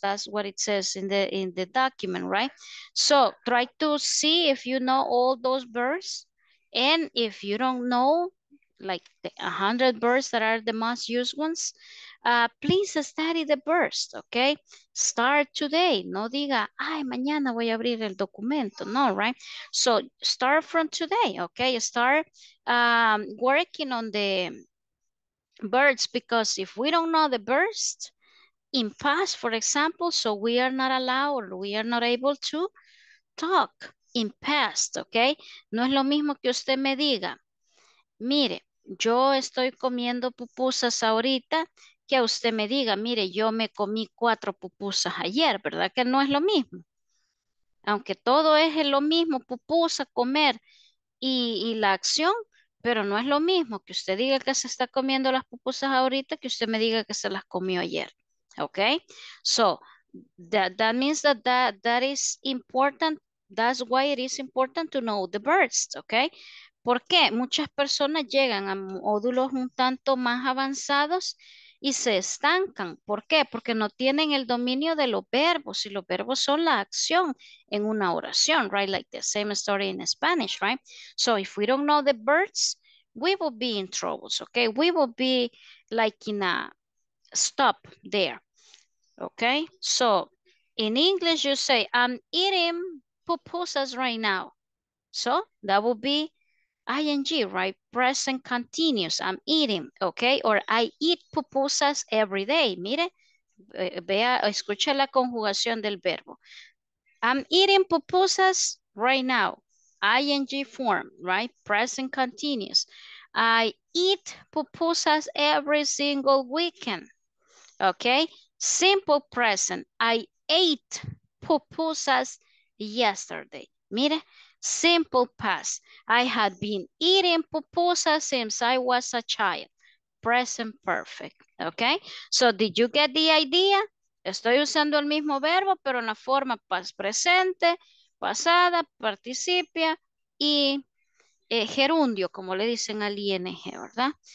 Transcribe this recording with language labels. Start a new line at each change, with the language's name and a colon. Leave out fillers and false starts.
English: That's what it says in the document, right? So try to see if you know all those birds, and if you don't know like the 100 birds that are the most used ones, please study the birds, okay? Start today.
Spanish: No diga, ay, mañana voy a abrir el documento.
English: No, right? So start from today, okay? Start working on the birds, because if we don't know the birds in past, for example, so we are not allowed or we are not able to talk in past, okay?
Spanish: No es lo mismo que usted me diga, mire, yo estoy comiendo pupusas ahorita, que usted me diga, mire, yo me comí 4 pupusas ayer, ¿verdad? Que no es lo mismo. Aunque todo es lo mismo, pupusa, comer y la acción, pero no es lo mismo que usted diga que se está comiendo las pupusas ahorita que usted me diga que se las comió ayer.
English: ¿Ok? So, that means that is important. That's why it is important to know the verbs.
Spanish: ¿Ok? ¿Por qué? Muchas personas llegan a módulos un tanto más avanzados y se estancan. ¿Por qué? Porque no tienen el dominio de los verbos, y los verbos son la acción en una oración, right?
English: Like the same story in Spanish, right? So if we don't know the verbs, we will be in troubles, okay? We will be like in a stop there, okay? So in English you say, I'm eating pupusas right now. So that will be ING, right? Present continuous. I'm eating, okay? Or I eat pupusas every day.
Spanish: Mire, vea, escucha la conjugación del verbo.
English: I'm eating pupusas right now. ING form, right? Present continuous. I eat pupusas every single weekend, okay? Simple present. I ate pupusas yesterday. Mire, simple past. I had been eating pupusas since I was a child. Present perfect. Okay? So did you get the idea?
Spanish: Estoy usando el mismo verbo, pero en la forma past presente, pasada, participia y gerundio, como le dicen al ING, ¿verdad?